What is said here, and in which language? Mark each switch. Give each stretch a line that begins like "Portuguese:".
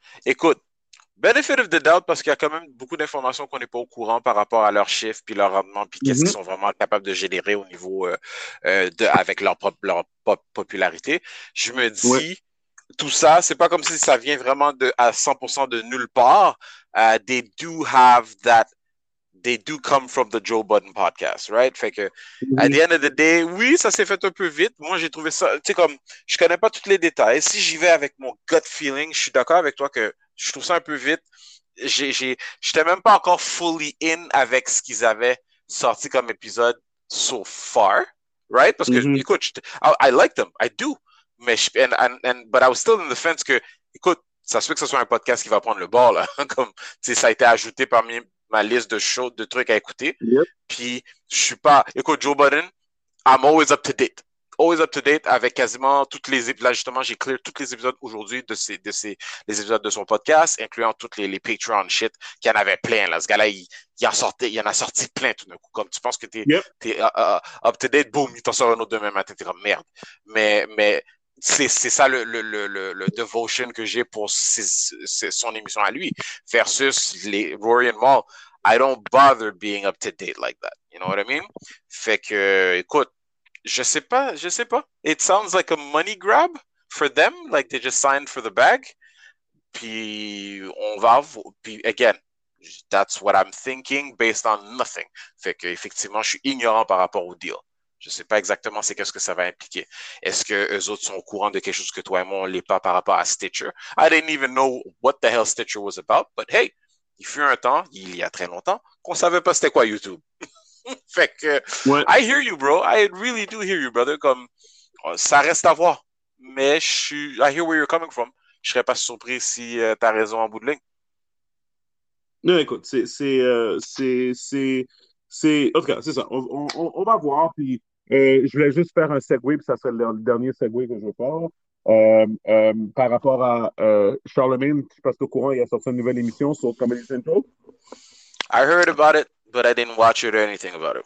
French: Écoute,
English: benefit of the doubt,
French: parce qu'il y a quand même beaucoup d'informations qu'on n'est pas au courant par rapport à leurs chiffres, puis leur rendement, puis qu'est-ce qu'ils sont vraiment capables de générer au niveau de avec leur popularité. Je me dis, tout ça, c'est pas comme si ça vient vraiment à 100% de nulle part.
English: They do have that. They do come from the Joe Budden podcast, right?
French: Fait que,
English: at the end of the day,
French: oui, ça s'est fait un peu vite. Moi, j'ai trouvé ça, tu sais, comme, je connais pas tous les détails. Si j'y vais avec mon
English: gut feeling,
French: je suis d'accord avec toi que je trouve ça un peu vite. J'étais même pas encore
English: fully in
French: avec ce qu'ils avaient sorti comme épisode
English: so far, right?
French: Parce que, écoute,
English: I like them, I do.
French: Mais,
English: but I was still in the fence
French: que, écoute, ça se peut que ce soit un podcast qui va prendre le bord, là. Comme, tu sais, ça a été ajouté parmi ma liste de shows, de trucs à écouter. Puis, je suis pas. Écoute,
English: Joe Budden, I'm always up to date. Always up to date
French: avec quasiment toutes les épisodes. Là, justement, j'ai clear tous les épisodes aujourd'hui de ces, les épisodes de son podcast, incluant toutes les Patreon shit, qu'il y en avait plein, là. Ce gars-là, il en a sorti plein tout d'un coup. Comme tu penses que
English: up to date,
French: boum, il t'en sort un autre demain matin, t'es comme merde. Mais c'est ça le devotion que j'ai pour son émission à lui, versus les Rory and Maul.
English: I don't bother being up to date like that. You know what I mean?
French: Fait que, écoute, je sais pas, je sais pas.
English: It sounds like a money grab for them, like they just signed for the bag.
French: Puis on va, puis
English: again, that's what I'm thinking based on nothing.
French: Fait que effectivement, je suis ignorant par rapport au deal. Je sais pas exactement c'est qu'est-ce que ça va impliquer. Est-ce que eux autres sont au courant de quelque chose que toi et moi on l'est pas par rapport à Stitcher?
English: I didn't even know what the hell Stitcher was about, but hey,
French: il fut un temps, il y a très longtemps, qu'on savait pas c'était quoi YouTube. Fait que,
English: I hear you, bro. I really do hear you, brother.
French: Comme, Ça reste à voir. Mais je suis.
English: I hear where you're coming from.
French: Je serais pas surpris si tu as raison en bout de ligne. Non, écoute, c'est. En tout cas, c'est ça. On va voir. Puis, je voulais juste faire un segue, puis ça serait le dernier segue que je veux faire. Par rapport à Charlemagne, je pense qu'au courant, il a sorti une nouvelle émission sur Comedy Central.
English: I heard about it, but I didn't watch it or anything about it.